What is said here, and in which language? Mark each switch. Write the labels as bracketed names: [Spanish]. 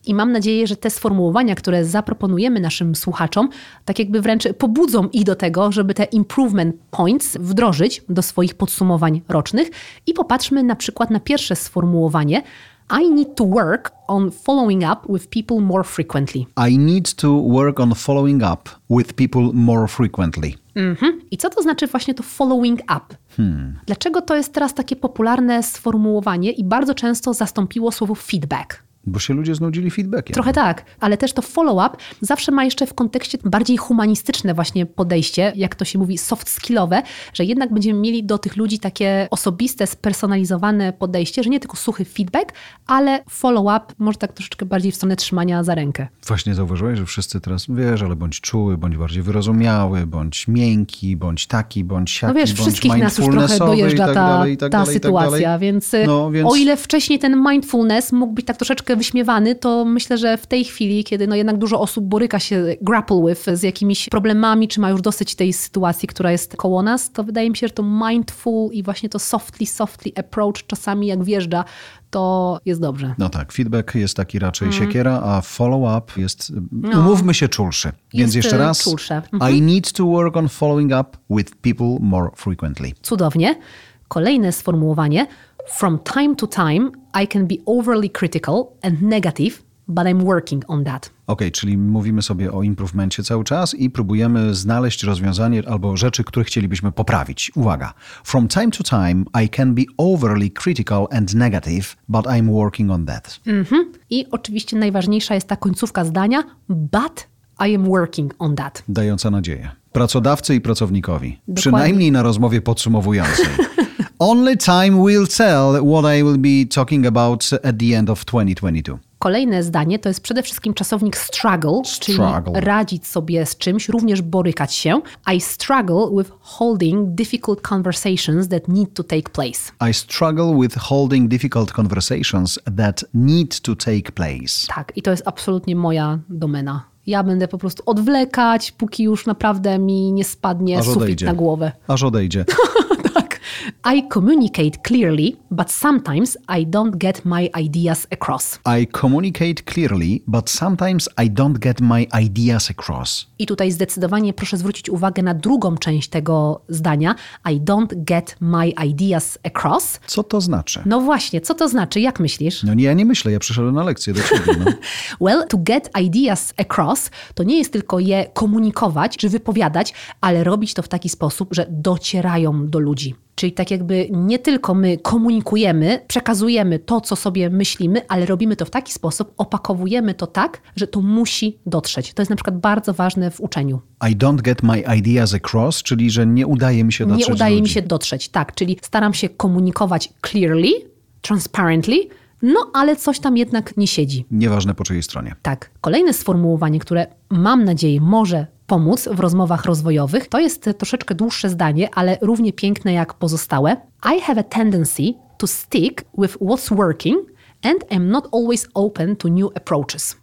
[Polish] I mam nadzieję, że te sformułowania, które zaproponujemy naszym słuchaczom, tak jakby wręcz pobudzą ich do tego, żeby te improvement points wdrożyć do swoich podsumowań rocznych i popatrzmy na przykład na pierwsze sformułowanie, [English] I need to work on following up with people more frequently. I need to work on following up with people more frequently. [Polish] Mm-hmm. I co to znaczy właśnie to following up? Dlaczego to jest teraz takie popularne sformułowanie i bardzo często zastąpiło słowo feedback? Bo się ludzie znudzili feedbackiem. Trochę tak, ale też to follow-up zawsze ma jeszcze w kontekście bardziej humanistyczne właśnie podejście, jak to się mówi, soft skillowe, że jednak będziemy mieli do tych ludzi takie osobiste, spersonalizowane podejście, że nie tylko suchy feedback, ale follow-up może tak troszeczkę bardziej w stronę trzymania za rękę. Właśnie zauważyłeś, że wszyscy teraz, wiesz, ale bądź czuły, bądź bardziej wyrozumiały, bądź miękki, bądź taki, bądź siaki, no wiesz, wszystkich bądź nas już trochę dojeżdża i tak dalej, ta sytuacja, więc o ile wcześniej ten mindfulness mógł być tak troszeczkę wyśmiewany, to myślę, że w tej chwili, kiedy no jednak dużo osób boryka się [English] grapple with [Polish] z jakimiś problemami, czy ma już dosyć tej sytuacji, która jest koło nas, to wydaje mi się, że to mindful i właśnie to softly approach czasami jak wjeżdża, to jest dobrze. No tak, feedback jest taki raczej siekiera, a follow-up jest, umówmy się, czulszy. Więc jeszcze raz, czulsze. [English] I need to work on following up with people more frequently. [Polish] Cudownie. Kolejne sformułowanie: [English] from time to time I can be overly critical and negative, but I'm working on that. [Polish] Okej, czyli mówimy sobie o improvementie cały czas i próbujemy znaleźć rozwiązanie albo rzeczy, które chcielibyśmy poprawić. Uwaga. [English] From time to time I can be overly critical and negative, but I'm working on that. Mm-hmm. [Polish] I oczywiście najważniejsza jest ta końcówka zdania, [English] but I am working on that. [Polish] Dająca nadzieję. Pracodawcy i pracownikowi. Dokładnie. Przynajmniej na rozmowie podsumowującej. [English] Only time will tell what I will be talking about at the end of 2022. [Polish] Kolejne zdanie to jest przede wszystkim czasownik struggle, czyli radzić sobie z czymś, również borykać się. [English] I struggle with holding difficult conversations that need to take place. I struggle with holding difficult conversations that need to take place. [Polish] Tak, i to jest absolutnie moja domena. Ja będę po prostu odwlekać, póki już naprawdę mi nie spadnie sufit na głowę. Aż odejdzie. Tak. [English] I communicate clearly, but sometimes I don't get my ideas across. I communicate clearly, but sometimes I don't get my ideas across. [Polish] I tutaj zdecydowanie proszę zwrócić uwagę na drugą część tego zdania. [English] I don't get my ideas across. [Polish] Co to znaczy? No właśnie, co to znaczy? Jak myślisz? No nie, ja nie myślę, ja przyszedłem na lekcję do ciebie. No. [English] Well, to get ideas across [Polish] to nie jest tylko je komunikować czy wypowiadać, ale robić to w taki sposób, że docierają do ludzi. Czyli tak jakby nie tylko my komunikujemy, przekazujemy to, co sobie myślimy, ale robimy to w taki sposób, opakowujemy to tak, że to musi dotrzeć. To jest na przykład bardzo ważne w uczeniu. [English] I don't get my ideas across, [Polish] czyli że nie udaje mi się dotrzeć. Nie udaje mi się dotrzeć, tak. Czyli staram się komunikować clearly, transparently, no ale coś tam jednak nie siedzi. Nieważne po czyjej stronie. Tak. Kolejne sformułowanie, które mam nadzieję może pomóc w rozmowach rozwojowych. To jest troszeczkę dłuższe zdanie, ale równie piękne jak pozostałe. [English] I have a tendency to stick with what's working and am not always open to new approaches.